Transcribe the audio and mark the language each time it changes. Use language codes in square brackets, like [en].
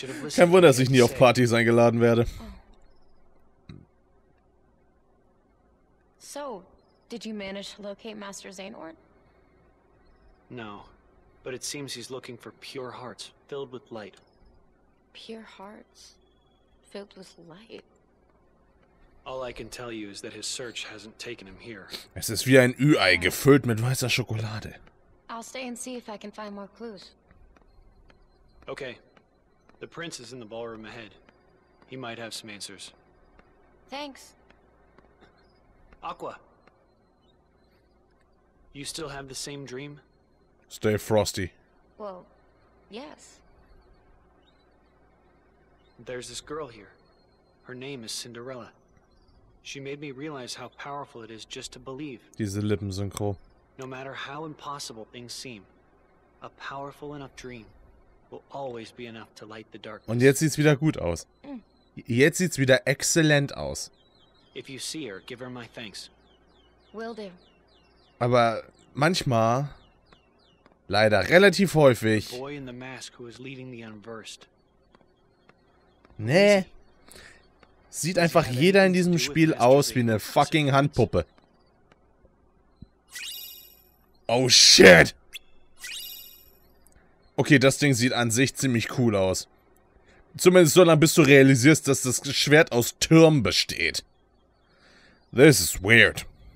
[de] Kein Wunder, dass ich nie auf Partys eingeladen werde. [en] So, did you manage to locate Master Zaynort? No, but it seems he's looking for pure hearts filled with light. Pure hearts filled with light. All I can tell you is that his search hasn't taken him here. [de] Es ist wie ein Ü-Ei gefüllt mit weißer Schokolade. [en] I'll stay and see if I can find more clues. Okay. The prince is in the ballroom ahead. He might have some answers. Thanks. Aqua. You still have the same dream? Stay frosty. Well, yes. There's this girl here. Her name is Cinderella. She made me realize how powerful it is just to believe. [de] Diese Lippensynchro. [en] No matter how impossible things seem, a powerful enough dream will always be enough to light the darkness. [de] Und jetzt sieht's wieder gut aus. Jetzt sieht's wieder exzellent aus. [en] If you see her, give her my thanks. Will do. [de] Aber manchmal, leider relativ häufig. [en] The boy in the mask who is leading the unversed. [de] Nee. Sieht einfach jeder in diesem Spiel aus wie eine fucking Handpuppe. [en] Oh shit! [de] Okay, das Ding sieht an sich ziemlich cool aus. Zumindest so lange, bis du realisierst, dass das Schwert aus Türmen besteht. [en] This is weird.